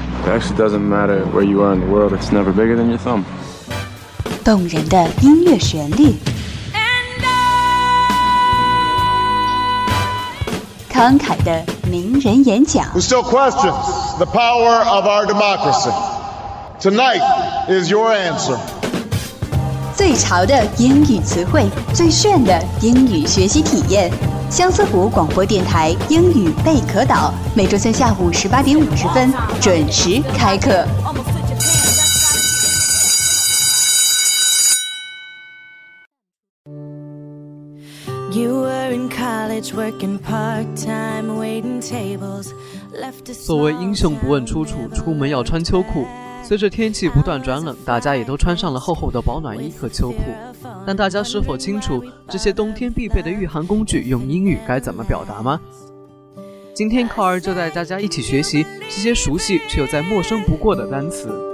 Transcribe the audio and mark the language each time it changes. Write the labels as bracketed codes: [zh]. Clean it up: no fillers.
[en] It actually doesn't matter where you are in the world. It's never bigger than your thumb. [zh] 动人的音乐旋律 [en] And I [zh] 慷慨的名人演讲 [en] We still question the power of our democracy. Tonight is your answer. [zh] 最潮的英语词汇，最炫的英语学习体验。相思湖广播电台英语贝壳岛，每周三下午18:50准时开课。 [en] You were in college working part-time, waiting tables. Left a [zh] 所谓英雄不问出处，出门要穿秋裤。随着天气不断转冷，大家也都穿上了厚厚的保暖衣和秋裤。但大家是否清楚这些冬天必备的御寒工具用英语该怎么表达吗？今天考儿就带大家一起学习这些熟悉却又再陌生不过的单词。